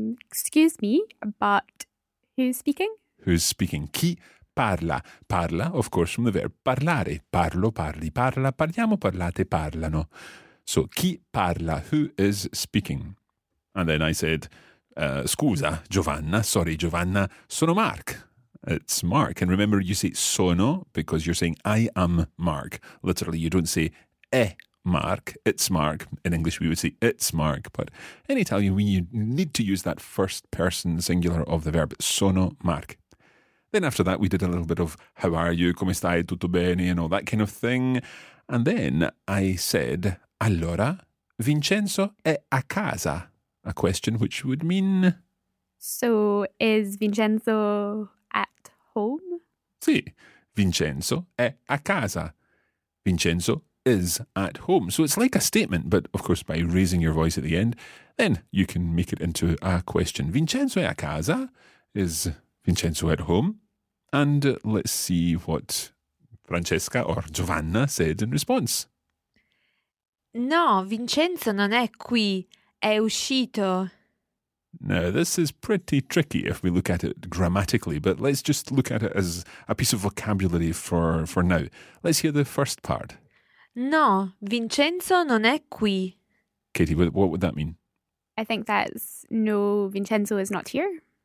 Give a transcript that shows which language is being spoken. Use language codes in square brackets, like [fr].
[en] Excuse me, but who's speaking? Who's speaking? [it] Chi parla? [en] Parla, of course, from the verb parlare. [it] Parlo, parli, parla, parliamo, parlate, parlano. [en] So, [it] chi parla? [en] Who is speaking? And then I said, [it] scusa, Giovanna, [en] sorry, Giovanna, [it] sono Mark. [en] It's Mark. And remember, you say sono because you're saying I am Mark. Literally, you don't say [it] è Mark, [en] it's Mark. In English, we would say it's Mark. But in Italian, we need to use that first person singular of the verb, [it] sono Mark. [en] Then after that, we did a little bit of how are you, [it] come stai, tutto bene, [en] and all that kind of thing. And then I said, [it] allora, Vincenzo è a casa? [en] A question which would mean... So, is Vincenzo at home? [it] Sì, Vincenzo è a casa. [en] Vincenzo is at home. So it's like a statement, but of course by raising your voice at the end, then you can make it into a question. [it] Vincenzo è a casa? [en] Is Vincenzo at home? And let's see what Francesca or Giovanna said in response. [it] No, Vincenzo non è qui, è uscito. [en] Now, this is pretty tricky if we look at it grammatically, but let's just look at it as a piece of vocabulary for now. Let's hear the first part. [it] No, Vincenzo non è qui. [en] Katie, what would that mean? I think that's no, Vincenzo is not here.